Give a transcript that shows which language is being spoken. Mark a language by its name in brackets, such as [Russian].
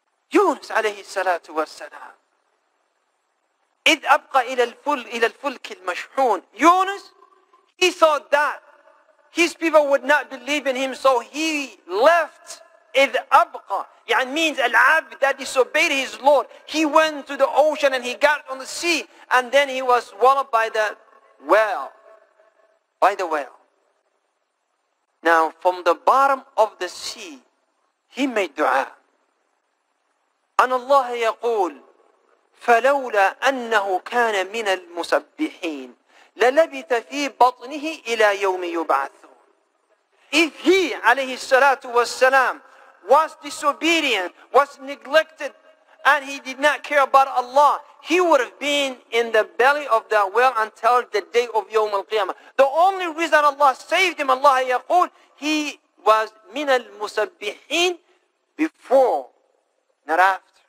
[English] Yunus alayhi salatu wa salam. [Arabic] إِذْ أَبْقَى إِلَى الْفُلْكِ الْمَشْحُونِ [English] Yunus, he thought that his people would not believe in him, so he left [Arabic] إِذْ أَبْقَى يعني [English] means العبد that disobeyed his Lord. He went to the ocean and he got on the sea and then he was swallowed by the whale. By the whale. Now from the bottom of the sea, he made dua. [Arabic] أن الله يقول فلولا أنه كان من المسبحين للبث في بطنه إلى يوم يبعثون. [English] If he, [Arabic] عليه الصلاة والسلام, [English] was disobedient, was neglected, and he did not care about Allah, he would have been in the belly of that whale until the day of يوم القيامة. The only reason Allah saved him, [Arabic] الله يقول, [English] he was [Arabic] من المسبحين [English] before, not after.